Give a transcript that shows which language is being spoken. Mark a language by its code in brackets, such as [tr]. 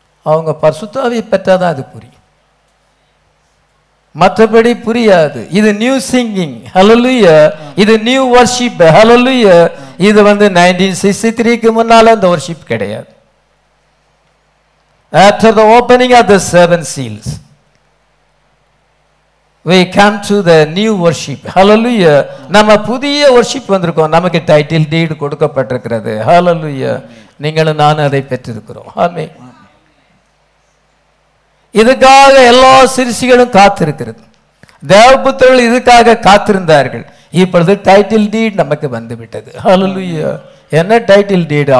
[ta] அவங்க பரிசுத்தாவியை பெற்றால் தான் அது புரியும், மற்றபடி புரியாது. இது [en] new singing, [ta] ஹல்லேலூயா. இது [en] new worship, [ta] ஹல்லேலூயா. இது வந்து 1963க்கு முன்னால இந்த வர்ஷிப் கிடையாது. [en] After the opening of the seven seals, we come to the new worship. [ta] Hallelujah. நம்ம புதிய வர்ஷிப் வந்திருக்கோம். நமக்கு டைட்டில் டீடு கொடுக்கப்பட்டிருக்கிறது. ஹல்லேலூயா. நீங்களும் நானும் அதை பெற்றிருக்கிறோம். ஆமென். இதுக்காக எல்லா சிறிசிகளும் காத்திருக்கிறது. தேவபுத்திரர்கள் இதுக்காக காத்திருந்தார்கள். இப்பொழுது டைட்டில் டீட் நமக்கு வந்து விட்டது. ஹல்லேலூயா. என்ன டைட்டில் டீடு?